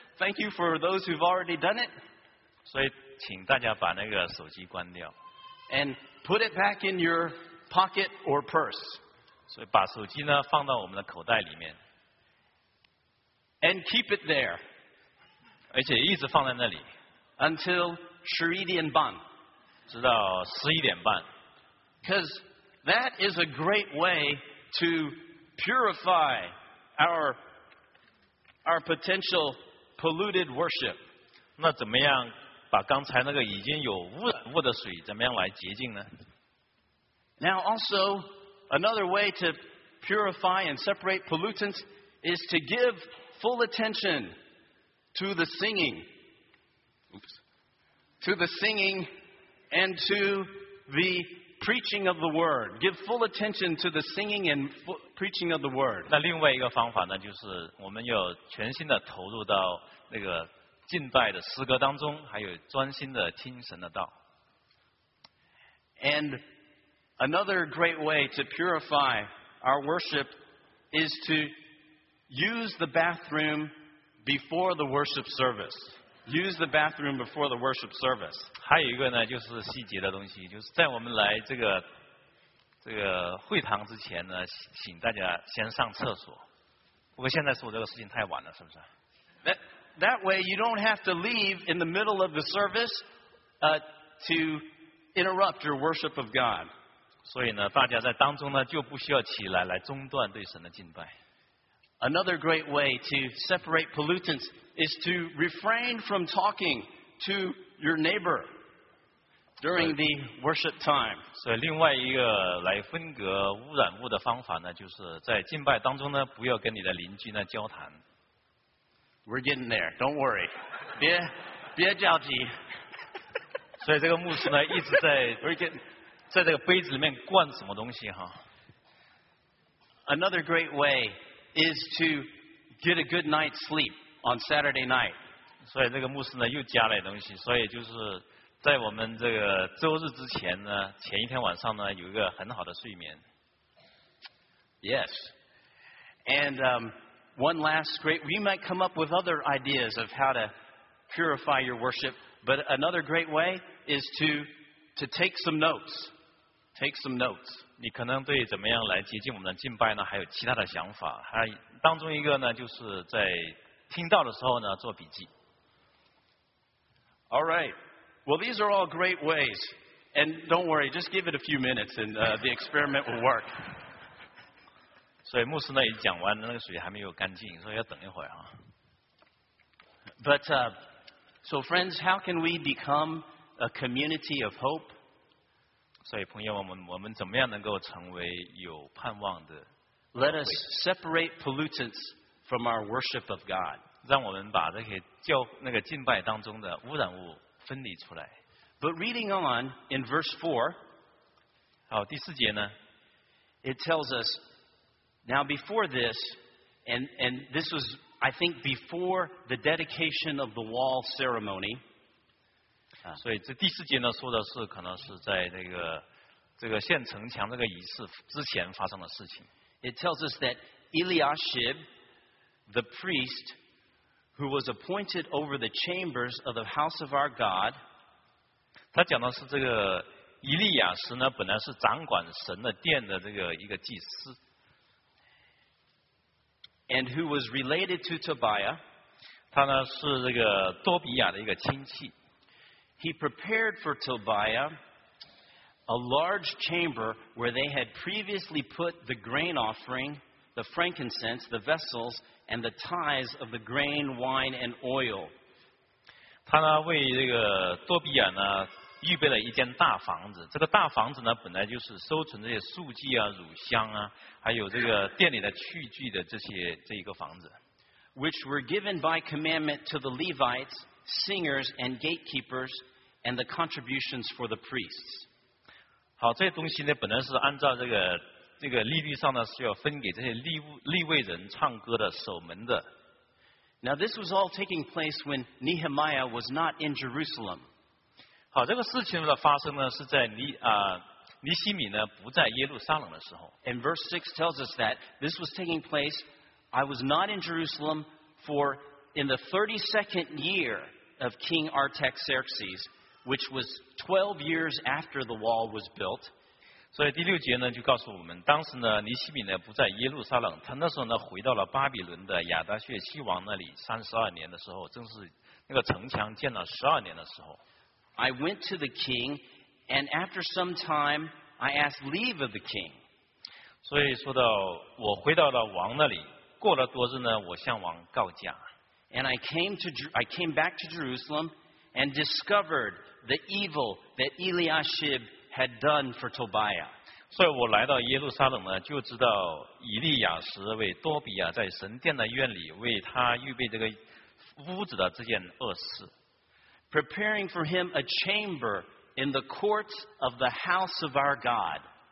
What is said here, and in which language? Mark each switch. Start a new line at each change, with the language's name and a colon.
English: Thank you for those who've already done it.
Chinese: 所以请大家把那个手机关掉。
English: And put it back in your pocket or purse.
Chinese: 所以把手机呢放到我们的口袋里面。
English: And keep it there.
Chinese: 而且一直放在那里。
English: Until
Chinese: 11点半。直到11点半。
English: Because that is a great way to purify our potential polluted worship.
Chinese: 那怎么样把刚才那个已经有污染物的水怎么样来洁净呢？
English: Now also, another way to purify and separate pollutants is to give full attention to the singing. To the singing and to the preaching of the word. Give full attention to the singing and preaching of the word.
Chinese: 那另外一个方法呢，就是我们要全心的投入到那个敬拜的诗歌当中，还有专心的听神的道。
English: And another great way to purify our worship is to use the bathroom before the worship service. Use the bathroom before the worship service.
Chinese: 还有一个呢，就是细节的东西，就是在我们来这个会堂之前呢，请大家先上厕所。不过现在说这个事情太晚了，是不是？
English: That way you don't have to leave in the middle of the service to interrupt your worship of God.
Chinese: 所以呢，大家在当中呢就不需要起来来中断对神的敬拜。
English: Another great way to separate pollutants is to refrain from talking to your neighbor during the worship time.
Chinese: 所以另外一个来分隔污染物的方法呢，就是在敬拜当中呢不要跟你的邻居呢交谈。
English: We're getting there. Don't worry.
Chinese: 别着急。所以这个牧师呢一直在 在这个杯子里面灌什么东西哈。
English: Another great way is to get a good night's sleep on Saturday night.
Chinese: 所以这个牧师呢又加了东西，所以就是在我们这个周日之前呢，前一天晚上呢有一个很好的睡眠。
English: Yes. And, one last great, we might come up with other ideas of how to purify your worship. But another great way is to take some notes. Take some notes.
Chinese: 你可能对怎么样来接近我们的敬拜呢，还有其他的想法。还当中一个呢，就是在听到的时候呢，做笔记。
English: All right. Well, these are all great ways. And don't worry, just give it a few minutes and the experiment will work.
Chinese: 所以牧师呢也讲完，那个水还没有干净，所以要等一会儿啊。
English: But, so friends, how can we become a community of hope?
Chinese: 所以朋友，我们怎么样能够成为有盼望的？
English: Let us separate pollutants from our worship of God.
Chinese: 让我们把这些教那个敬拜当中的污染物分离出来。
English: But reading on in verse 4,
Chinese: 好，第四节呢，
English: it tells us, now before this, and this was, I think, before the dedication of the wall ceremony.
Chinese: 所以这第四节呢，说的是可能是在这个现城墙这个仪式之前发生的事情。
English: It tells us that Eliashib, the priest, who was appointed over the chambers of the house of our God,
Chinese: 他讲的是这个以利亚什呢，本来是掌管神的殿的这个一个祭司。
English: And who was related to Tobiah,
Chinese: 他呢是这个多比亚的一个亲戚。
English: He prepared for Tobiah a large chamber where they had previously put the grain offering, the frankincense, the vessels, and the tithes of the grain, wine, and oil.
Chinese: 他呢为这个多比亚呢预备了一间大房子，这个大房子呢本来就是收存这些素祭啊、乳香啊，还有这个殿里的器具的这一个房子。
English: Which were given by commandment to the Levites, singers, and gatekeepers, and the contributions for the priests.
Chinese: 好，这些东西呢本来是按照这个利率上呢是要分给这些立位人唱歌的守门的。
English: Now this was all taking place when Nehemiah was not in Jerusalem.
Chinese: 好，这个事情的发生呢是在尼希米呢不在耶路撒冷的时候。
English: And verse 6 tells us that this was taking place, I was not in Jerusalem for in the 32nd year of King Artaxerxes, which was 12 years after the wall was built.
Chinese: 所以第六节呢就告诉我们，当时呢尼希米呢不在耶路撒冷，他那时候呢回到了巴比伦的亚达薛西王那里32年的时候，正是那个城墙建了12年的时候。
English: I went to the king, and after some time, I asked leave of the king.
Chinese: 所以说到我回到了王那里，过了多日呢，我向王告假。
English: And I came back to Jerusalem and discovered the evil that Eliashib had done for Tobiah.
Chinese: 所以我来到耶路撒冷呢，就知道以利亚什为多比亚在神殿的院里为他预备这个屋子的这件恶事。
English: Preparing for him a chamber in the courts of the house of our God.